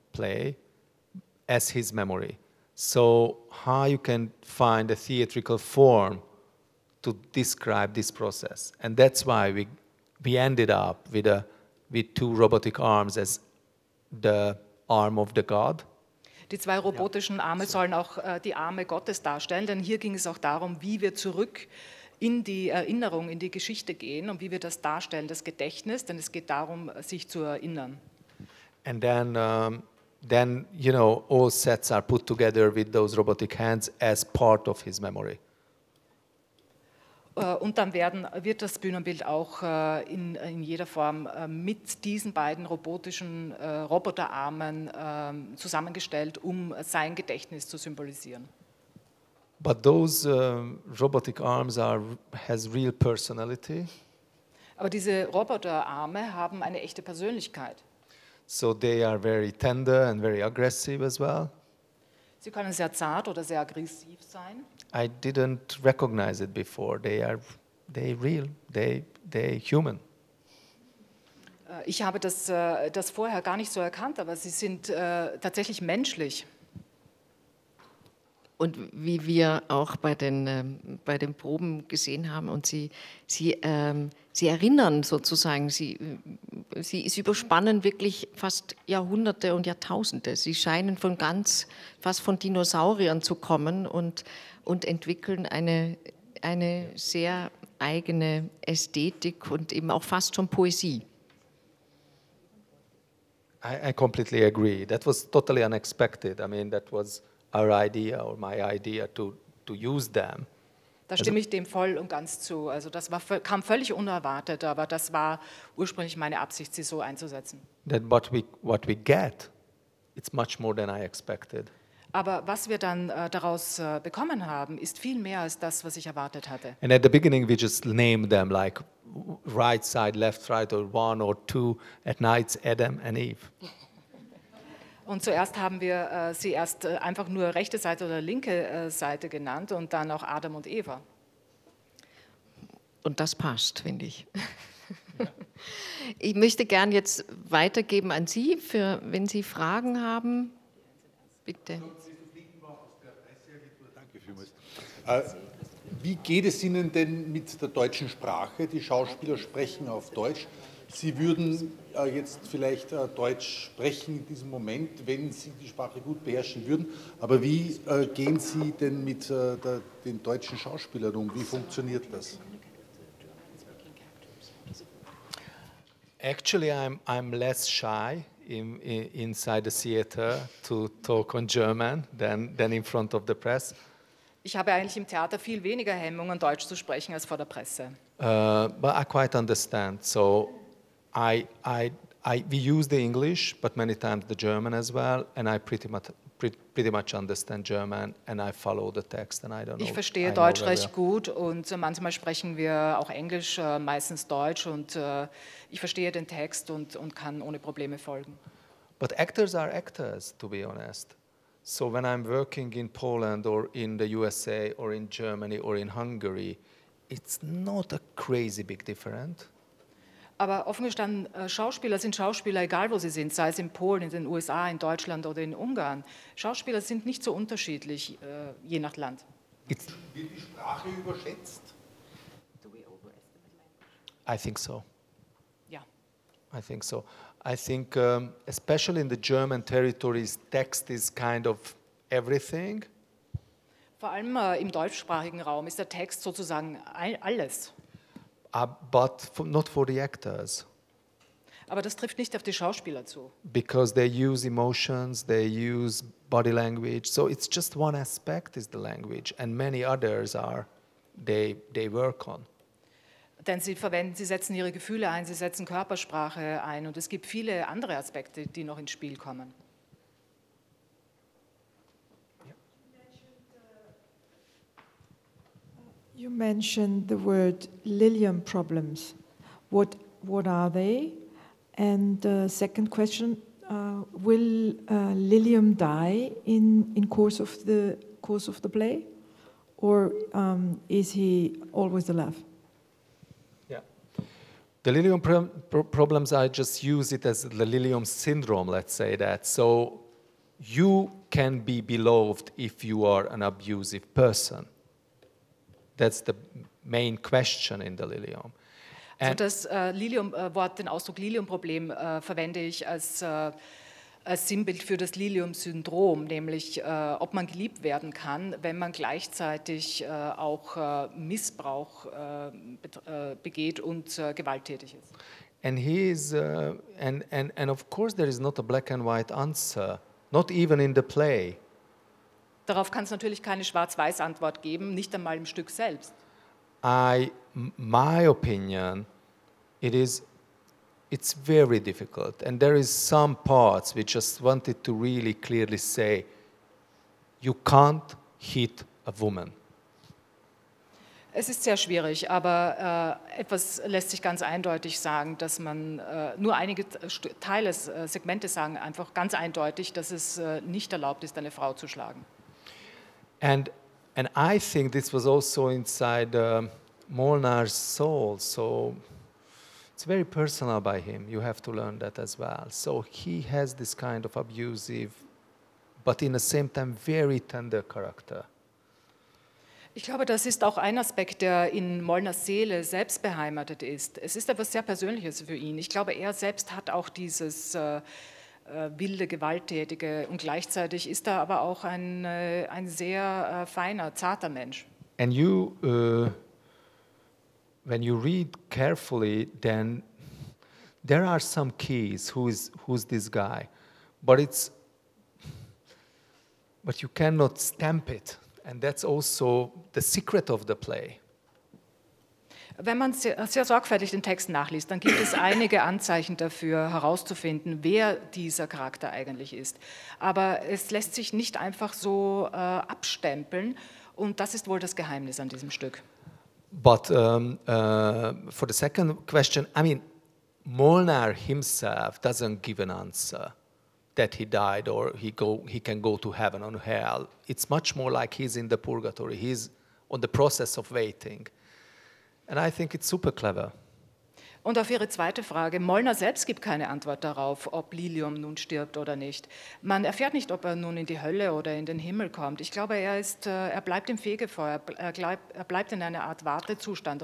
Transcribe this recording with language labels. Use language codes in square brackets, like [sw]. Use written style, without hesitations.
[en] play as his memory. So how you can find a theatrical form to describe this process? And that's why we ended up with two robotic arms as the arm of the god. [de] Die zwei robotischen Arme sollen auch die Arme Gottes darstellen, denn hier ging es auch darum, wie wir zurück in die Erinnerung, in die Geschichte gehen und wie wir das darstellen, das Gedächtnis, denn es geht darum, sich zu erinnern. [en] And then, then you know, all sets are put together with those robotic hands as part of his memory. [de] Und dann wird das Bühnenbild auch in jeder Form mit diesen beiden robotischen Roboterarmen zusammengestellt, um sein Gedächtnis zu symbolisieren. [en] But those robotic arms has real personality. [de] Aber diese Roboterarme haben eine echte Persönlichkeit. [en] So they are very tender and very aggressive as well. [de] Sie können sehr zart oder sehr aggressiv sein. [en] I didn't recognize it before. They real. They human. [de] Ich habe das vorher gar nicht so erkannt, aber sie sind tatsächlich menschlich. Und wie wir auch bei den Proben gesehen haben, und sie erinnern sozusagen, sie überspannen wirklich fast Jahrhunderte und Jahrtausende. Sie scheinen von ganz fast von Dinosauriern zu kommen und entwickeln eine sehr eigene Ästhetik und eben auch fast schon Poesie. [en] I completely agree. That was totally unexpected. I mean, that was our idea or my idea to use them. [de] Da stimme ich dem voll und ganz zu. Also das kam völlig unerwartet, aber das war ursprünglich meine Absicht, sie so einzusetzen. [en] That what we get, it's much more than I expected. [de] Aber was wir dann daraus bekommen haben, ist viel mehr als das, was ich erwartet hatte. [en] And at the beginning we just named them like right side, left, right, or one or two at night, Adam and Eve. [de] Und zuerst haben wir sie erst einfach nur rechte Seite oder linke Seite genannt und dann auch Adam und Eva. Und das passt, finde ich. Ja. Ich möchte gern jetzt weitergeben an Sie, für wenn Sie Fragen haben. Bitte. Danke vielmals. Wie geht es Ihnen denn mit der deutschen Sprache? Die Schauspieler sprechen auf Deutsch. Sie würden jetzt vielleicht Deutsch sprechen in diesem Moment, wenn Sie die Sprache gut beherrschen würden. Aber wie gehen Sie denn mit den deutschen Schauspielern um? Wie funktioniert das? [en] Actually, I'm less shy inside the theater to talk on German than in front of the press. [de] Ich habe eigentlich im Theater viel weniger Hemmungen, Deutsch zu sprechen, als vor der Presse. [en] But I quite understand. So we use the English, but many times the German as well, and I pretty much understand German, and I follow the text, and I don't know. [de] Ich verstehe Deutsch recht gut, und manchmal sprechen wir auch Englisch, meistens Deutsch, und ich verstehe den Text und kann ohne Probleme folgen. [en] But actors are actors, to be honest. So when I'm working in Poland or in the USA or in Germany or in Hungary, it's not a crazy big difference. [de] Aber offen gestanden, Schauspieler sind Schauspieler, egal wo sie sind, sei es in Polen, in den USA, in Deutschland oder in Ungarn. Schauspieler sind nicht so unterschiedlich, je nach Land. Wird die Sprache überschätzt? [en] I think so. [de] Ja. [en] Yeah. I think so. I think, especially in the German territories, text is kind of everything. [de] Vor allem im deutschsprachigen Raum ist der Text sozusagen alles. [en] But not for the actors. [de] Aber das trifft nicht auf die Schauspieler zu. [en] Because they use emotions, they use body language. So it's just one aspect is the language, and many others are they work on. [de] Denn sie setzen ihre Gefühle ein, sie setzen Körpersprache ein, und es gibt viele andere Aspekte, die noch ins Spiel kommen. [en] You mentioned the word Lilium problems. What are they? And second question: will Lilium die in course of the play, or is he always alive? Yeah, the Lilium problems. I just use it as the Lilium syndrome. Let's say that. So you can be beloved if you are an abusive person. That's the main question in the Lilium. [de] Also das Lilium-Wort, den Ausdruck Lilium-Problem, verwende ich als Sinnbild für das Lilium-Syndrom, nämlich ob man geliebt werden kann, wenn man gleichzeitig auch Missbrauch begeht und gewalttätig ist. [en] And he is, and of course there is not a black and white answer, not even in the play. [de] Darauf kann es natürlich keine schwarz-weiß Antwort geben, nicht einmal im Stück selbst. [en] My opinion, it's very difficult, and there is some parts which just wanted to really clearly say, you can't hit a woman. [de] Es ist sehr schwierig, aber etwas lässt sich ganz eindeutig sagen, dass man nur einige Teile, Segmente sagen einfach ganz eindeutig, dass es nicht erlaubt ist, eine Frau zu schlagen. [en] And I think this was also inside Molnar's soul, so it's very personal by him. You have to learn that as well. So he has this kind of abusive, but in the same time very tender character. [de] Ich glaube, das ist auch ein Aspekt, der in Molnars Seele selbst beheimatet ist. Es ist etwas sehr Persönliches für ihn. Ich glaube, er selbst hat auch dieses wilde, gewalttätige und gleichzeitig ist er aber auch ein sehr feiner, zarter Mensch. [en] And you, when you read carefully, then there are some keys, who's this guy. But you cannot stamp it. And that's also the secret of the play. [de] Wenn man sehr sorgfältig den Text nachliest, dann gibt es einige Anzeichen dafür, herauszufinden, wer dieser Charakter eigentlich ist. Aber es lässt sich nicht einfach so abstempeln, und das ist wohl das Geheimnis an diesem Stück. [en] But for the second question, I mean, Molnar himself doesn't give an answer. That he died or he can go to heaven or hell. It's much more like he's in the purgatory. He's on the process of waiting. And I think it's super clever. [de] Und auf Ihre zweite Frage, Molnar selbst gibt keine Antwort darauf, ob Lilium nun stirbt oder nicht. Man erfährt nicht, ob er nun in die Hölle oder in den Himmel kommt. Ich glaube, er bleibt im Fegefeuer. Er bleibt in einer Art Wartezustand.